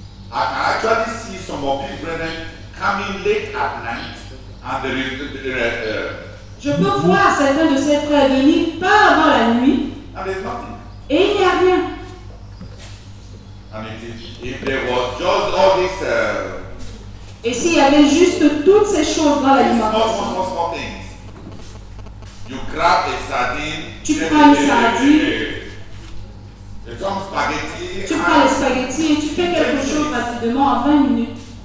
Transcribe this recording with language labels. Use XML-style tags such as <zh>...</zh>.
<en>I can actually see some of these brethren coming late at night, and there is</en> <fr>Je peux voir certains de ces frères venir pas avant la nuit.</fr> <en>And there's nothing.</en> <fr>Et il n'y a rien.</fr> <en>And it is, if there was just all this,</en> <fr>Et s'il y avait juste toutes ces choses dans l'alimentation.</fr> <en>Small things. You grab a sardine.</en> <fr>Tu prends une sardine. Tu prends les spaghettis et tu fais quelque chose rapidement en 20 minutes.</fr>